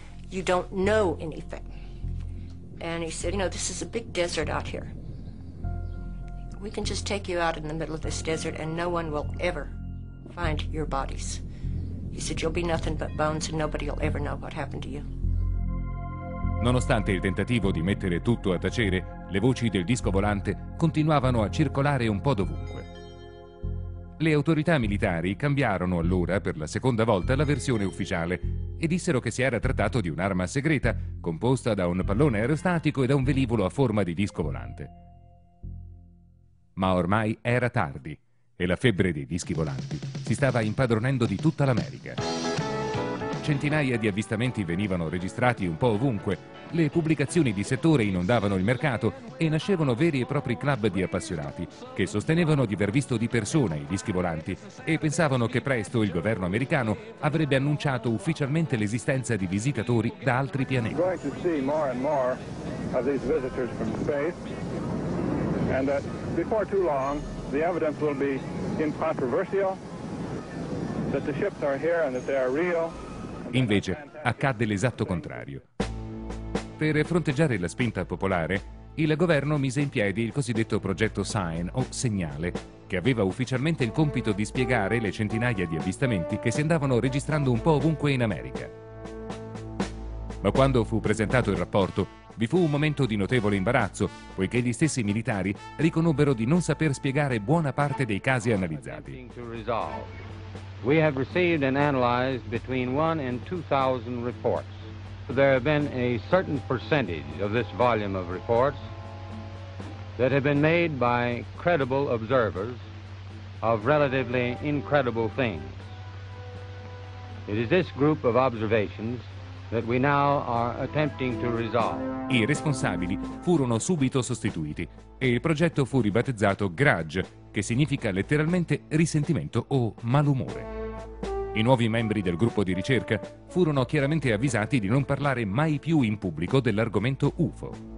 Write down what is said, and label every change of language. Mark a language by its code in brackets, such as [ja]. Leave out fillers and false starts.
[en] You don't know anything. And he said, you know, this is a big desert out here. We can just take you out in the middle of this desert and no one will ever find your bodies. He said, you'll be nothing but bones and nobody will ever know what happened to you. [it] Nonostante il tentativo di mettere tutto a tacere, le voci del disco volante continuavano a circolare un po' dovunque. Le autorità militari cambiarono allora per la seconda volta la versione ufficiale e dissero che si era trattato di un'arma segreta composta da un pallone aerostatico e da un velivolo a forma di disco volante. Ma ormai era tardi e la febbre dei dischi volanti si stava impadronendo di tutta l'America. Centinaia di avvistamenti venivano registrati un po' ovunque, le pubblicazioni di settore inondavano il mercato e nascevano veri e propri club di appassionati che sostenevano di aver visto di persona i dischi volanti e pensavano che presto il governo americano avrebbe annunciato ufficialmente l'esistenza di visitatori da altri pianeti. [en] We're going to see more and more of these visitors from space, and that before too long the evidence will be incontroversial, that the ships are here and that they are real. [it] Invece, accadde l'esatto contrario. Per fronteggiare la spinta popolare, il governo mise in piedi il cosiddetto progetto Sign, o Segnale, che aveva ufficialmente il compito di spiegare le centinaia di avvistamenti che si andavano registrando un po' ovunque in America. Ma quando fu presentato il rapporto, vi fu un momento di notevole imbarazzo, poiché gli stessi militari riconobbero di non saper spiegare buona parte dei casi analizzati. [en] We have received and analyzed between 1,000 and 2,000 reports. There have been a certain percentage of this volume of reports that have been made by credible observers of relatively incredible things. It is this group of observations that we now are attempting to resolve. [it] I responsabili furono subito sostituiti e il progetto fu ribattezzato Grudge, che significa letteralmente risentimento o malumore. I nuovi membri del gruppo di ricerca furono chiaramente avvisati di non parlare mai più in pubblico dell'argomento UFO.